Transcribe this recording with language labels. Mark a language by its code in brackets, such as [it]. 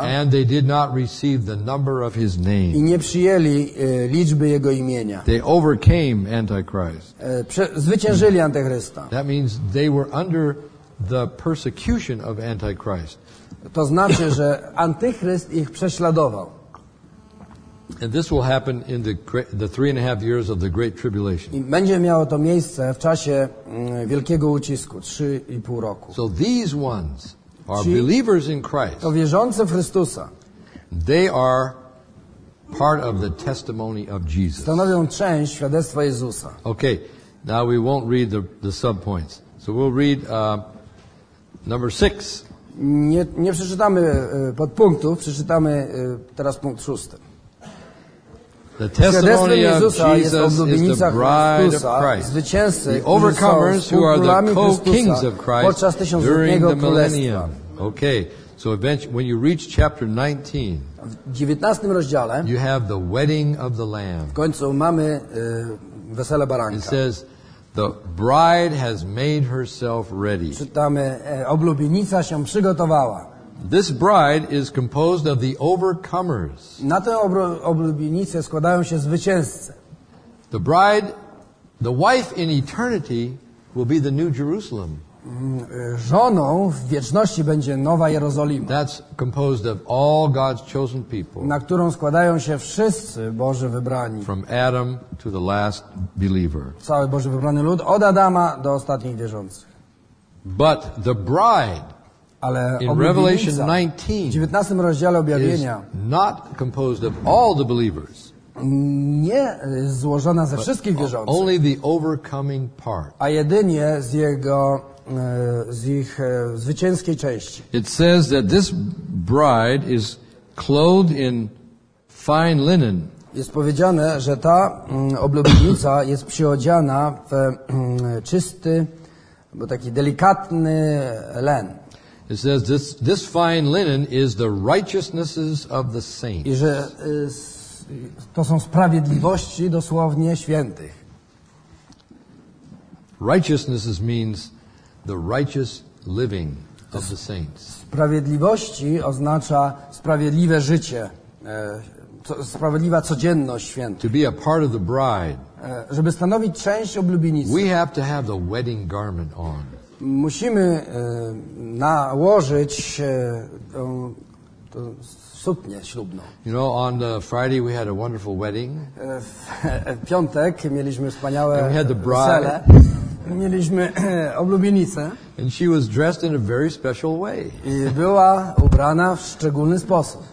[en] And they did not receive the number of his name. [pl] I nie przyjęli liczby jego imienia. [en] They overcame Antichrist. [pl] Zwyciężyli antychrysta. [en] That means they were under the persecution of Antichrist. [pl] To znaczy, że antychryst ich prześladował. [en] And this will happen in the 3.5 years of the Great Tribulation. [pl] I będzie miało to miejsce w czasie wielkiego ucisku, 3.5 roku. [en] So these ones are believers in Christ. [pl] To wierzący w Chrystusa. [en] They are part of the testimony of Jesus. [pl] Stanowią część świadectwa Jezusa. [en] Okay, now we won't read the subpoints. So we'll read number 6. [pl] Nie przeczytamy podpunktów, przeczytamy teraz punkt 6. [en] The testimony of Jesus is the bride of Christ. [pl] Zwycięzcy, [en] the overcomers who are the co-kings of Christ during the millennium. Okay, so eventually, when you reach chapter 19, [pl] w 19 rozdziale, [en] you have the wedding of the Lamb. [pl] W końcu mamy wesele baranka. [en] It says, the bride has made herself ready. [pl] Czytamy, oblubienica się przygotowała. [en] This bride is composed of the overcomers. [pl] Na tę oblubienicę składają się zwycięzcy. [en] The bride, the wife in eternity, will be the new Jerusalem. [pl] Żoną w wieczności będzie nowa Jerozolima. [en] That's composed of all God's chosen people. [pl] Na którą składają się wszyscy Boży wybrani. [en] From Adam to the last believer. [pl] Cały Boży wybrany lud, od Adama do ostatnich wierzących. [en] But the bride. [pl] Ale [en] in Revelation 19 [pl] rozdziale Objawienia [en] is not composed of all the believers. [pl] Nie złożona ze wszystkich wierzących. [en] Only the overcoming part. [pl] A jedynie z jego z ich zwycięskiej części. [en] It says that this bride is clothed in fine linen. [pl] Jest powiedziane, że ta oblubienica jest przyodziana w czysty, bo taki delikatny len. [en] It says this fine linen is the righteousnesses of the saints. [pl] I że to są sprawiedliwości dosłownie świętych. [en] Righteousnesses means the righteous living of the saints. [pl] Sprawiedliwości oznacza sprawiedliwe życie, sprawiedliwa codzienność świętych. [en] To be a part of the bride. [pl] Żeby stanowić część oblubienicy. [en] We have to have the wedding garment on. [pl] Musimy nałożyć tą suknię ślubną. [en] You know, on Friday we had a wonderful wedding. [pl] W piątek mieliśmy wspaniałe [en] we had the bride. [pl] Wesele. Mieliśmy oblubienicę. [en] And she was dressed in a very special way. [pl] I była ubrana w szczególny sposób.